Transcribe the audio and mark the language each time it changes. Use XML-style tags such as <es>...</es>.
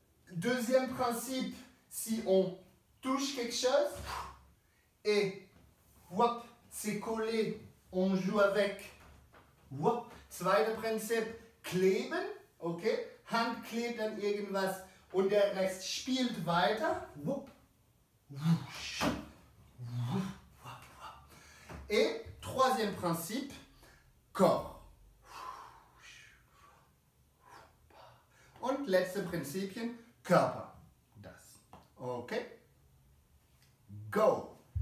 <fr>Deuxième principe, si on touche quelque chose et hop, c'est collé, on joue avec.</fr> <de>Zweiter Prinzip, kleben, okay? Hand klebt an irgendwas und der Rest spielt weiter.</de> <fr>Et troisième principe, corps.</fr> <de>Und letzte Prinzipien, Körper. Das. Okay? Go!</de>